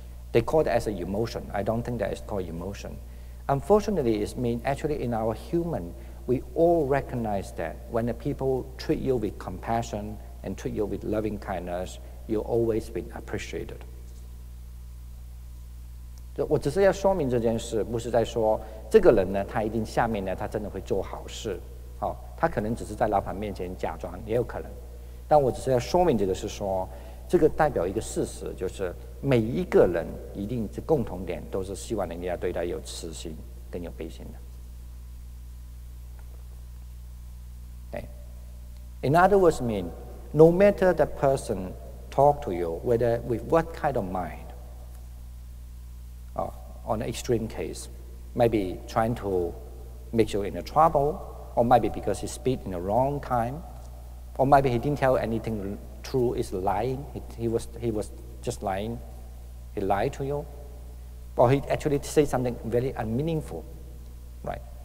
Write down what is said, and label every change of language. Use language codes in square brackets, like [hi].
[en] They call it as an emotion. I don't think that it's called emotion. Unfortunately, it means actually in our human, we all recognize that when the people treat you with compassion and treat you with loving kindness, you've always been appreciated. [zh] 我只是要说明这件事，不是在说这个人呢，他一定下面呢，他真的会做好事，哦，他可能只是在老板面前假装，也有可能。但我只是要说明这个是说，这个代表一个事实，就是每一个人一定是共同点，都是希望人家对他有慈心，更有悲心的。 [en] Okay. In other words, mean no matter the person talk to you, whether with what kind of mind. On an extreme case, maybe trying to make you in trouble, or maybe because he speak in the wrong time, or maybe he didn't tell anything true, is lying, he was just lying, he lied to you, or he actually said something very unmeaningful, right?